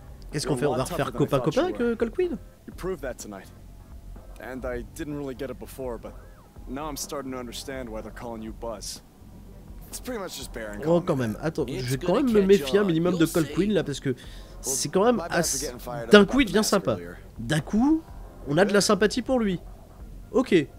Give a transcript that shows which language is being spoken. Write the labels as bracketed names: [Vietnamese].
[French] Qu'est-ce qu'on fait? On va refaire copain avec Colquitt? [English] You proved that tonight. And I didn't really get it before, but now I'm starting to understand why they're calling you Buzz. It's pretty much just Baron. [French] Oh, quand même. Attends, je vais quand même me méfier un minimum de Colquitt là, parce que c'est quand même assez... D'un coup, il devient sympa. D'un coup, On a de la sympathie pour lui. Ok.